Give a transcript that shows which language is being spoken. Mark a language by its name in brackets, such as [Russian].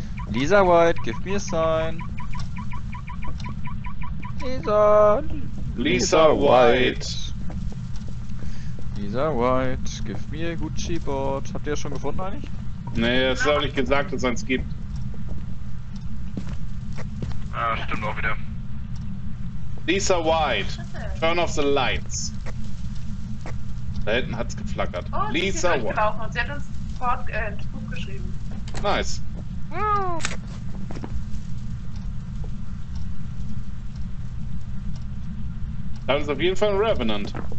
[English] Lisa White, give me a sign. Lisa. Lisa White. Lisa White, give me a Gucci board. [German] Habt ihr das schon gefunden eigentlich? Nee, das ist auch nicht gesagt, dass es eins gibt. Ah, stimmt auch wieder. [English] Lisa White, turn off the lights. [German] Da hinten hat's geflackert. Oh, [English] Lisa White. [German] Sie hat uns sofort ein Buch geschrieben. [English] Nice. [German] Das ist auf jeden Fall ein Revenant.